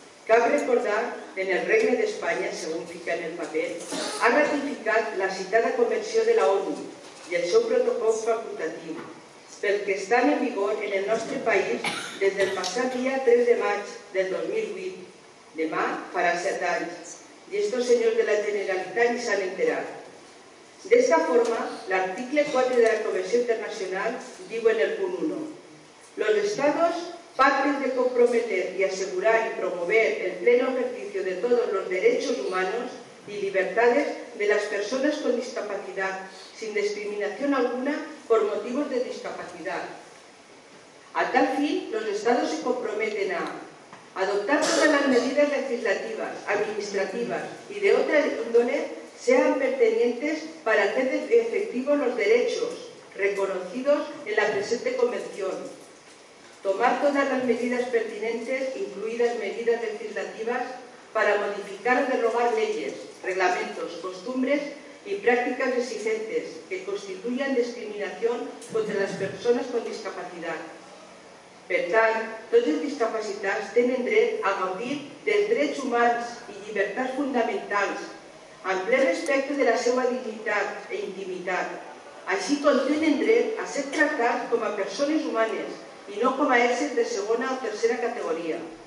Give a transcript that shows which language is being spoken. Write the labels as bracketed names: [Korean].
[Spanish] Cabe recordar que en el Reino de España, [Catalan] según fica en el papel, ha ratificat la citada Convenció de la ONU i el seu protocol facultatiu, pel que està en vigor en el nostre país des del passat dia 3 de maig del 2008, demà farà 7 anys, i estos senyors de la Generalitat ni s'han enterat. D'esta forma, l'article 4 de la Convenció Internacional diu en el punt 1: [Spanish] los estados, partes de comprometer y asegurar y promover el pleno ejercicio de todos los derechos humanos y libertades de las personas con discapacidad, sin discriminación alguna por motivos de discapacidad. A tal fin, los estados se comprometen a adoptar todas las medidas legislativas, administrativas y de otra índole sean pertinentes para hacer efectivos los derechos reconocidos en la presente convención. Tomar todas las medidas pertinentes, incluidas medidas legislativas, para modificar o derogar leyes, reglamentos, costumbres y prácticas exigentes que constituyan discriminación contra las personas con discapacidad. [Catalan] Per tant, tots els discapacitats tenen dret a gaudir dels drets humans i llibertats fundamentals en ple respecte de la seva dignitat i intimitat. Així com tenen dret a ser tractats com a persones humanes i no com a éssers de segona o tercera categoria.